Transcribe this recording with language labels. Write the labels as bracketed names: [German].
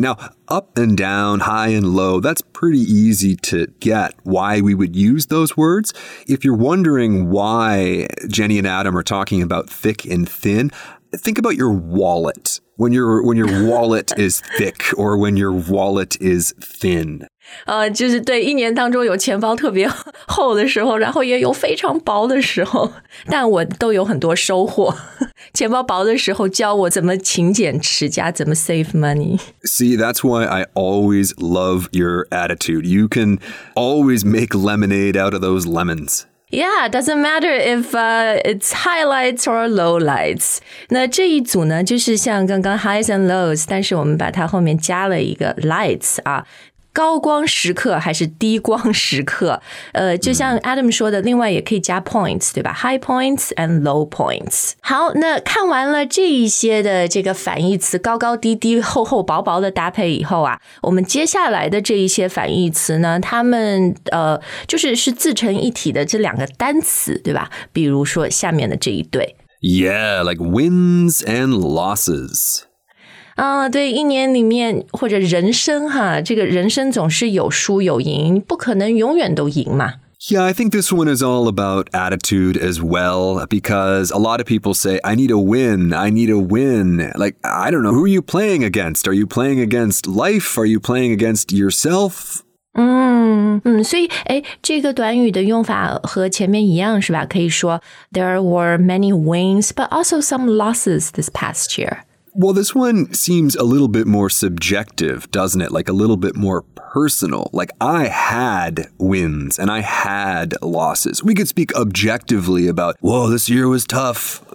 [English] Now, up and down, high and low, that's pretty easy to get why we would use those words. If you're wondering why Jenny and Adam are talking about thick and thin, think about your wallet. When your wallet is thick or when your wallet is thin. [Chinese] 就是对，一年当中有钱包特别厚的时候，然后也有非常薄的时候，但我都有很多收获。钱包薄的时候教我怎么勤俭持家，怎么 [English] save money. See, that's why I always love your attitude. You can always make lemonade out of those lemons. Yeah, doesn't matter if it's highlights or lowlights. [Chinese] 那这一组呢，就是像刚刚 [English] highs and lows, [Chinese] 但是我们把它后面加了一个 lights 啊，高光时刻还是低光时刻？就像 Adam 说的，另外也可以加 points, 对吧 ？ [English] High points and low points. [Chinese] 好，那看完了这一些的这个反义词，高高低低、厚厚薄薄的搭配以后啊，我们接下来的这一些反义词呢，它们就是自成一体的这两个单词，对吧？比如说下面的这一对 [English] ，Yeah, like wins and losses. [Chinese] 对，一年里面或者人生哈，这个人生总是有输有赢，不可能永远都赢嘛。 [English] Yeah, I think this one is all about attitude as well, because a lot of people say, I need a win, I need a win. Like, I don't know, who are you playing against? Are you playing against life? Are you playing against yourself? [Chinese] 所以这个短语的用法和前面一样是吧？可以说 [English] there were many wins, but also some losses this past year. Well, this one seems a little bit more subjective, doesn't it? Like a little bit more personal. Like I had wins and I had losses. We could speak objectively about, whoa, this year was tough.